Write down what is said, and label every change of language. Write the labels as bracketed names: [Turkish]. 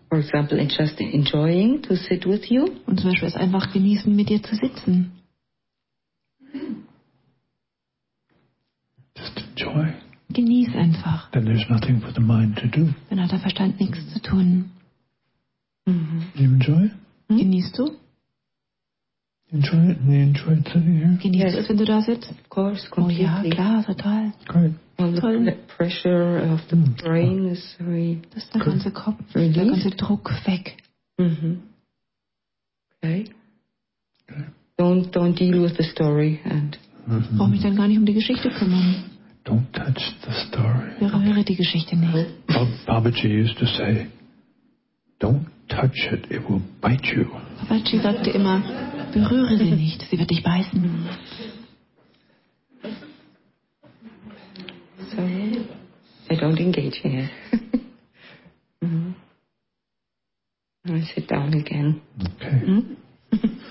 [English] For example, in just enjoying to sit with you. [German] Und zum Beispiel es einfach genießen, mit dir zu sitzen. [English] Just enjoy. [German] Genieß einfach. [English] Then there's nothing for the mind to do. [German] Dann hat der Verstand nichts zu tun. [English] Do you enjoy? [German] Genießt du? [English] Enjoy it. And you enjoy sitting here. [German] Genießt du, wenn du da sitzt? [English] Of course, completely. [German] Oh ja, klar, total. [English] Great. Well, the pressure of the brain is very. [German] Das ist der ganze Kopf, [English] really? [German] Der ganze Druck weg. [English] Okay. Don't deal with the story and. Mm-hmm. [German] Brauch mich dann gar nicht um die Geschichte kümmern. [English] Don't touch the story. [German] Berühre die Geschichte nicht. [English] Babaji used to say, don't touch it, it will bite you. [German] Babaji sagte immer, berühre sie nicht, sie wird dich beißen. [English] So, I don't engage here. I sit down again. Okay.